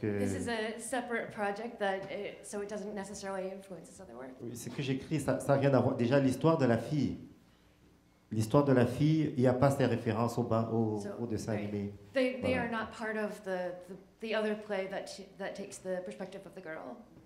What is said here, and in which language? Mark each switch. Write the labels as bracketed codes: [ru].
[en] this is a separate project, so it doesn't necessarily influence this other work. [fr] Ce que j'écris, ça n'a rien à voir. Déjà, l'histoire de la fille. L'histoire de la fille, il n'y a pas ces références au dessin [en] right. [fr] animé. [en] They are not part of the other play that takes the perspective of the girl.